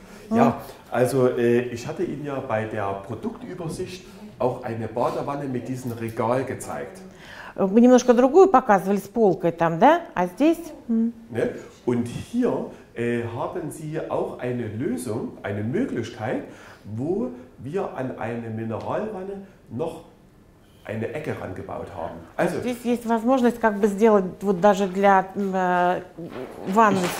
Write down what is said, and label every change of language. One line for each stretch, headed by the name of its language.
German: Ja, also ich hatte Ihnen ja bei der Produktübersicht auch eine Badewanne mit diesem Regal gezeigt.
Russian: Мы немножко другую показывали с полкой там, да? А здесь?
German: Ne? Und hier haben Sie auch eine Lösung, eine Möglichkeit, wo wir an eine Mineralwanne noch eine Ecke rangebaut haben. Also,
Russian: здесь есть возможность как бы сделать вот даже для ванны.